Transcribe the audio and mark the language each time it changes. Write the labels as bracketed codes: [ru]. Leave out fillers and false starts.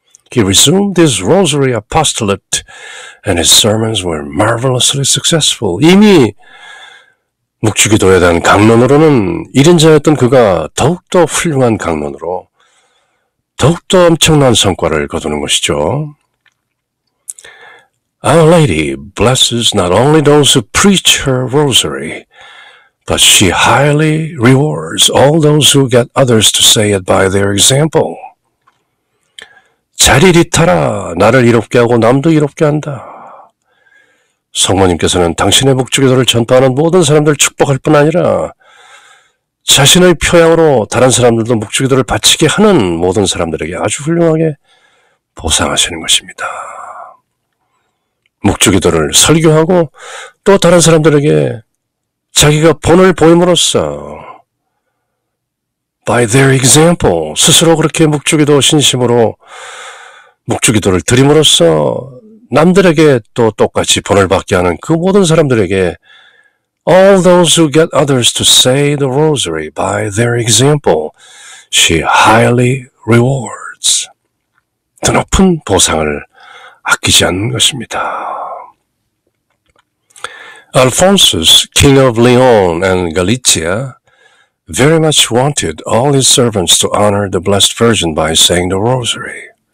[en] He resumed his rosary apostolate and his sermons were marvelously successful. [ko] 이미 묵주기도에 대한 강론으로는 1인자였던 그가 더욱더 훌륭한 강론으로 더욱더 엄청난 성과를 거두는 것이죠. [en] Our Lady blesses not only those who preach her rosary, but she highly rewards all those who get others to say it by their example. [ko] 자리를 이타라, 나를 이롭게 하고 남도 이롭게 한다. 성모님께서는 당신의 묵주기도를 전파하는 모든 사람들을 축복할 뿐 아니라 자신의 표양으로 다른 사람들도 묵주기도를 바치게 하는 모든 사람들에게 아주 훌륭하게 보상하시는 것입니다. 묵주기도를 설교하고 또 다른 사람들에게 자기가 본을 보임으로써 [en] by their example, [ko] 스스로 그렇게 묵주기도 신심으로 묵주기도를 드림으로써 남들에게 또 똑같이 본을 받게 하는 그 모든 사람들에게 [en] all those who get others to say the rosary by their example, she highly rewards. [ko] 더 높은 보상을 아끼지 않는 것입니다. [en] Alphonsus, king of Leon and Galicia, very much wanted all his servants to honor the Blessed Virgin by saying the rosary.